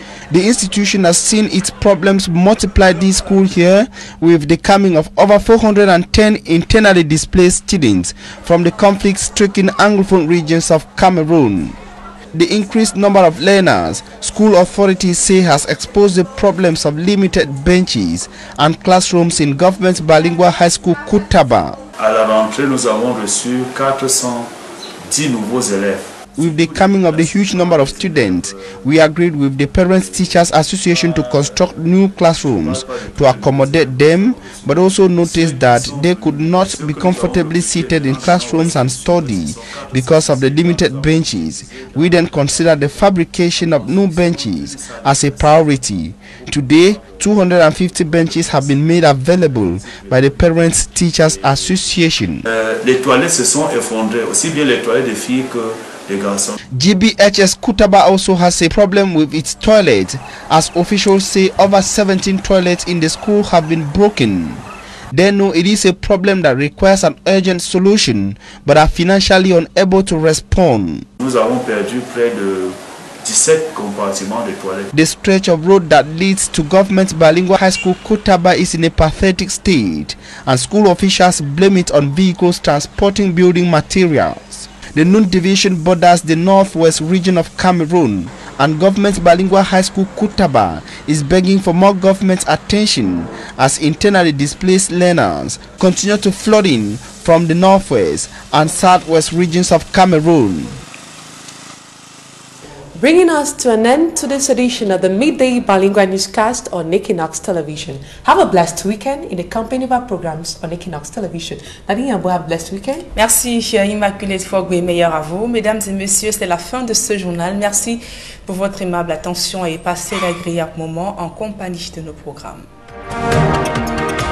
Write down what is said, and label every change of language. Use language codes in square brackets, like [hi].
[en] The institution has seen its problems multiply this school year with the coming of over 410 internally displaced students from the conflict-stricken Anglophone regions of Cameroon. The increased number of learners, school authorities say, has exposed the problems of limited benches and classrooms in Government Bilingual High School Kutaba. [fr] À la rentrée, nous avons reçu 410 nouveaux élèves. [en] With the coming of the huge number of students, we agreed with the Parents Teachers Association to construct new classrooms to accommodate them, but also noticed that they could not be comfortably seated in classrooms and study because of the limited benches. We then considered the fabrication of new benches as a priority. Today, 250 benches have been made available by the Parents Teachers Association. [fr] Les toilettes se sont effondrées, aussi bien les toilettes des filles que [en] GBHS Kutaba also has a problem with its toilet, as officials say over 17 toilets in the school have been broken. They know it is a problem that requires an urgent solution, but are financially unable to respond. [fr] Nous avons perdu près de 17 compartiments de toilettes. [en] The stretch of road that leads to Government Bilingual High School Kutaba is in a pathetic state, and school officials blame it on vehicles transporting building materials. The Nun Division borders the northwest region of Cameroon, and Government Bilingual High School Kutaba is begging for more government attention as internally displaced learners continue to flood in from the northwest and southwest regions of Cameroon. Bringing us to an end to this edition of the Midday Bilingual Newscast on Equinox Television. Have a blessed weekend in the company of our programs on Equinox Television. Nadine Yambo, have a blessed weekend. [fr] Merci, chère Immaculée Fogwe, meilleur à vous. Mesdames et messieurs, c'est la fin de ce journal. Merci pour votre aimable attention et passez l'agréable moment en compagnie de nos programmes.